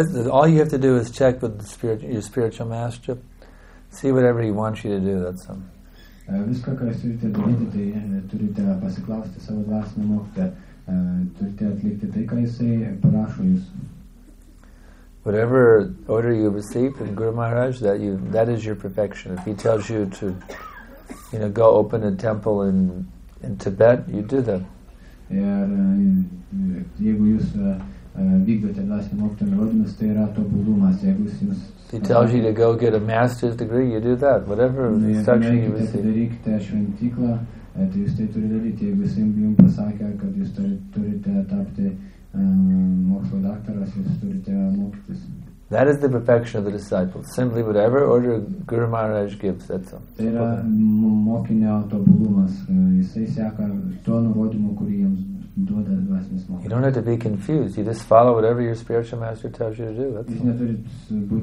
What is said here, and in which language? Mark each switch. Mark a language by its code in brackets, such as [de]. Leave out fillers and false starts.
[en] All you have to do is check with your spiritual master, see whatever he wants you to do. That's him. [lt] Viską, ką jūs turite daryti, tai turite pasiklausti savo dvasinio mokytojo, turite atlikti tai, ką jisai prašo jūs. [en] Whatever order you receive from Guru Maharaj, that is your perfection. If he tells you to, you know, go open a temple in Tibet, you do that. [lt] Ir jeigu jūs vykdote dvasinio mokytojo nurodymus, tai yra tobulumas. Jeigu jums [en] He tells you to go get a master's degree, you do that. Whatever instruction you receive. [lt] Darykite šventyklą, tai jūs tai turite daryti. Jeigu jums pasakė, kad jūs turite tapti mokslo daktaras, jūs turite mokytis. [en] That is the perfection of the disciple. Simply whatever order Guru Maharaj gives, that's all. [lt] Tai yra mokinio tobulumas. Jisai seka to nurodymo, kurį jums [en] You don't have to be confused. You just follow whatever your spiritual master tells you to do.